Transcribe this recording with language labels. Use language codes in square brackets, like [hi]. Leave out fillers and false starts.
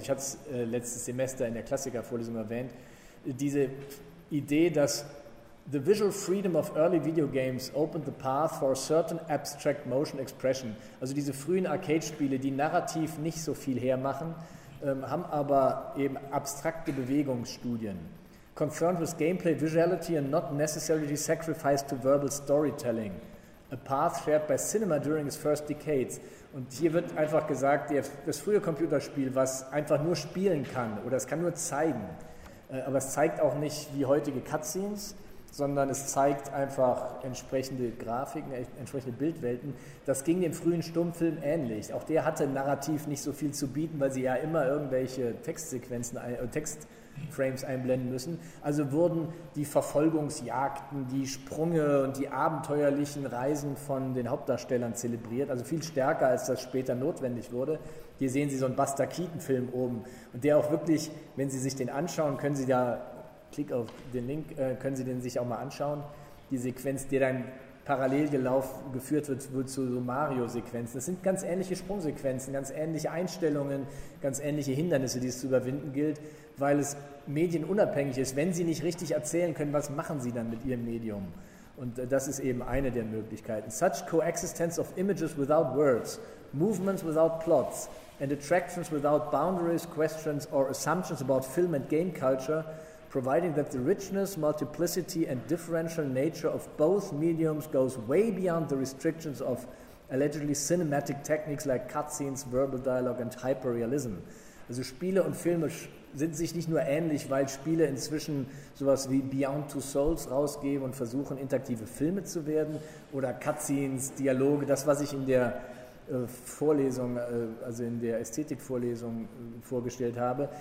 [de] Also ich hatte es letztes Semester in der Klassikervorlesung erwähnt. Diese Idee, dass [en] The visual freedom of early video games opened the path for a certain abstract motion expression. [de] Also diese frühen Arcade-Spiele, die narrativ nicht so viel hermachen, haben aber eben abstrakte Bewegungsstudien. [en] Confronted with gameplay visuality and not necessarily sacrificed to verbal storytelling. A path shared by cinema during its first decades. [de] Und hier wird einfach gesagt, das frühe Computerspiel, was einfach nur spielen kann oder es kann nur zeigen, aber es zeigt auch nicht wie heutige Cutscenes, sondern es zeigt einfach entsprechende Grafiken, entsprechende Bildwelten. Das ging dem frühen Stummfilm ähnlich. Auch der hatte narrativ nicht so viel zu bieten, weil sie ja immer irgendwelche Textsequenzen, Textframes einblenden müssen. Also wurden die Verfolgungsjagden, die Sprünge und die abenteuerlichen Reisen von den Hauptdarstellern zelebriert. Also viel stärker, als das später notwendig wurde. Hier sehen Sie so einen Buster Keaton-Film oben. Und der auch wirklich, wenn Sie sich den anschauen, können Sie da... Klick auf den Link, können Sie den sich auch mal anschauen. Die Sequenz, die dann parallel geführt wird, wird zu so Mario-Sequenzen. Das sind ganz ähnliche Sprungsequenzen, ganz ähnliche Einstellungen, ganz ähnliche Hindernisse, die es zu überwinden gilt, weil es medienunabhängig ist. Wenn Sie nicht richtig erzählen können, was machen Sie dann mit Ihrem Medium? Und das ist eben eine der Möglichkeiten. [en] Such coexistence of images without words, movements without plots, and attractions without boundaries, questions or assumptions about film and game culture, providing that the richness, multiplicity and differential nature of both mediums goes way beyond the restrictions of allegedly cinematic techniques like cutscenes, verbal dialogue and hyperrealism. [de] Also Spiele und Filme sind sich nicht nur ähnlich, weil Spiele inzwischen sowas wie Beyond Two Souls rausgeben und versuchen, interaktive Filme zu werden oder Cutscenes, Dialoge, das, was ich in der Vorlesung, also in der Ästhetikvorlesung vorgestellt habe.